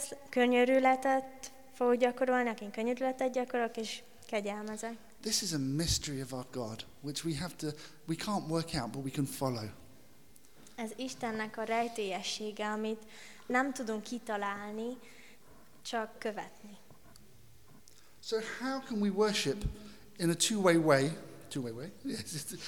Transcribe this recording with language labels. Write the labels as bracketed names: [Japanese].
[Hungarian] Könyörületet fog gyakorolni, akin könyörületet gyakorolok, és kegyelmezek. [English] This is a mystery of our God, which we can't work out, but we can follow. [Hungarian] Ez Istennek a rejtélyessége, amit nem tudunk kitalálni, csak követni. [English] So how can we worship in a two-way way? Yes.